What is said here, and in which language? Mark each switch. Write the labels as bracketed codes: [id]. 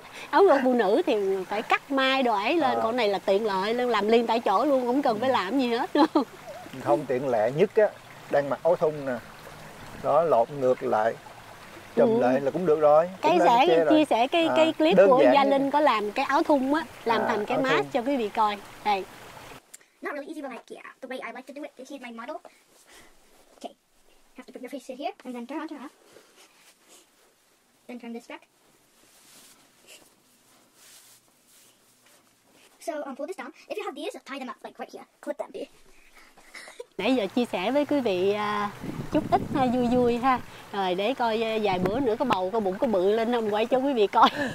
[vi] Áo ngực phụ nữ thì phải cắt mai đồ ấy lên. Con này là tiện lợi, làm liền tại chỗ luôn, không cần phải làm gì hết luôn. Không, tiện lẹ nhất á, đang mặc áo thun nè, đó lột ngược lại trùm lại là cũng được rồi. Cái sẽ chia sẻ cái clip của Gia Linh có làm cái áo thun á, làm thành cái mask thun cho quý vị coi. Đây. [en] Not really easy, but like, yeah, the way I like to do it, this is my model. Okay, have to put your face here and then turn on, turn off. Then turn this back. So pull this down. If you have these, tie them up like right here. Clip them. [vi] Nãy giờ chia sẻ với quý vị chút ít vui vui ha. Rồi để coi vài bữa nữa có bầu, có bụng có bự lên không, quay cho quý vị coi.